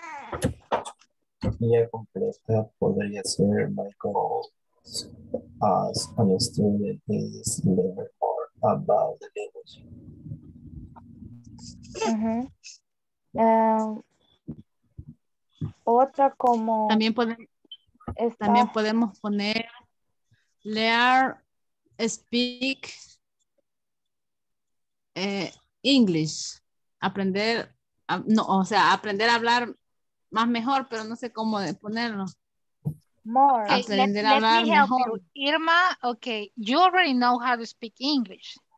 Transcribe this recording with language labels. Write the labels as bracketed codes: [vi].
[es] Uh-huh. Y completa podría ser [en] my goal. As a student is learn more about the language. [es] Otra como también, también podemos poner [en] learn speak English, [es] aprender no, o sea, aprender a hablar más mejor, pero no sé cómo ponerlo. [en] More. [es] Aprender a hablar mejor. [en] Irma, okay, you already know how to speak English.